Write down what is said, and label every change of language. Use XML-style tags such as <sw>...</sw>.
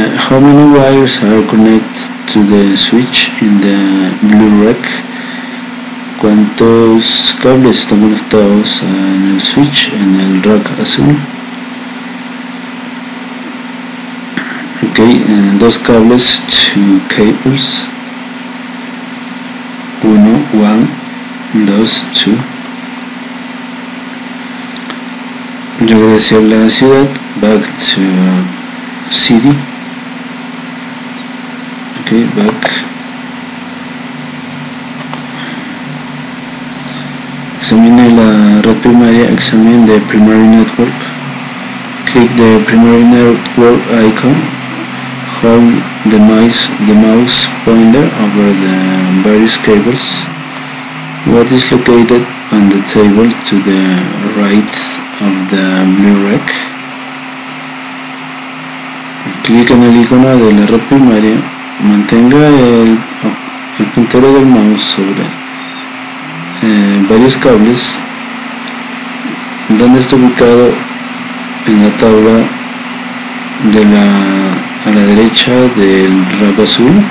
<en>How many wires are connected to the switch in the blue rack?</en> <es>¿Cuántos cables están conectados en el switch en el rack azul? Ok, dos cables,</es> <en>two cables.</en> <es>Uno, one, dos, two. Regresé a la ciudad,</es> <en>back to city. Okay, back.</en> <es>Examine la red primaria,</es> <en>examine the primary network. Click the primary network icon. Hold the mouse pointer over the various cables. What is located on the table to the right of the blue rack? Click on</en> <es>el icono de la red primaria. Mantenga el puntero del mouse sobre varios cables. ¿Dónde está ubicado? En la tabla de la a la derecha del rack azul.</es>